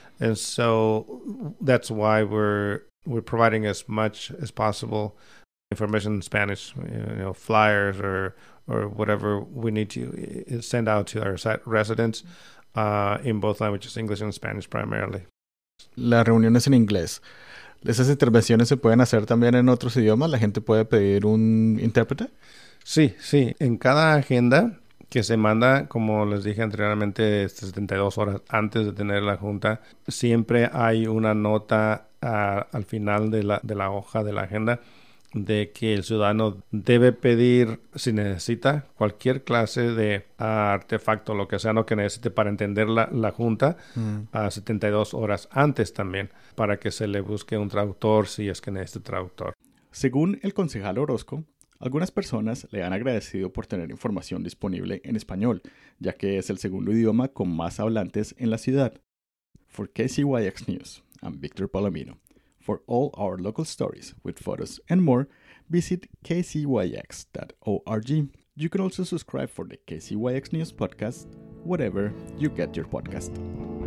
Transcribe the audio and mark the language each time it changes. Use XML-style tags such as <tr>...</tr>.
<en>And so that's why we're providing as much as possible information in Spanish, you know, flyers or whatever we need to send out to our residents in both languages, English and Spanish primarily.</en> <es>La reunión es en inglés. ¿Esas intervenciones se pueden hacer también en otros idiomas? ¿La gente puede pedir un intérprete? Sí, sí. En cada agenda que se manda, como les dije anteriormente, 72 horas antes de tener la junta, siempre hay una nota al final de la hoja de la agenda de que el ciudadano debe pedir, si necesita, cualquier clase de artefacto, lo que sea, lo que necesite para entender la junta, a 72 horas antes también, para que se le busque un traductor si es que necesita traductor. Según el concejal Orozco, algunas personas le han agradecido por tener información disponible en español, ya que es el segundo idioma con más hablantes en la ciudad.</es> <en>For KCYX News, I'm Victor Palomino. For all our local stories with photos and more, visit kcyx.org. You can also subscribe for the KCYX News podcast, whatever you get your podcast.</en>